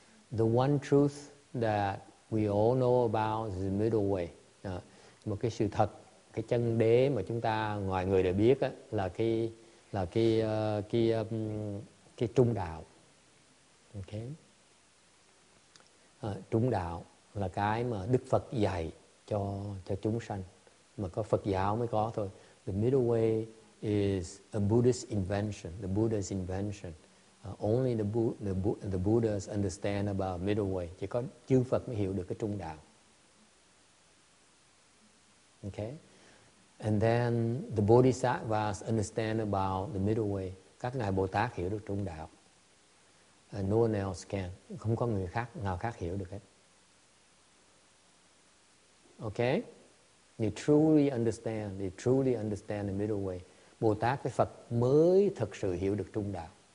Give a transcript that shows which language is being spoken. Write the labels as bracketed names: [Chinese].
[English] The one truth that we all know about is the middle way. [Vietnamese] Một cái sự thật, cái chân đế mà chúng ta ngoài người đều biết á, là cái trung đạo. Okay. Trung đạo là cái mà Đức Phật dạy cho chúng sanh, mà có Phật giáo mới có thôi. [English] The middle way is a Buddhist invention, the Buddha's invention. Only the Buddhas understand about middle way. [Vietnamese] Chỉ có chư Phật mới hiểu được cái trung đạo. [English] Okay? And then the Bodhisattvas understand about the middle way. [Vietnamese] Các ngài Bồ Tát hiểu được trung đạo. [English] No one else can. [Vietnamese] Không có người khác nào khác hiểu được hết. [English] Okay? You truly understand the middle way. [Vietnamese] Bồ Tát với Phật mới thực sự hiểu được trung đạo.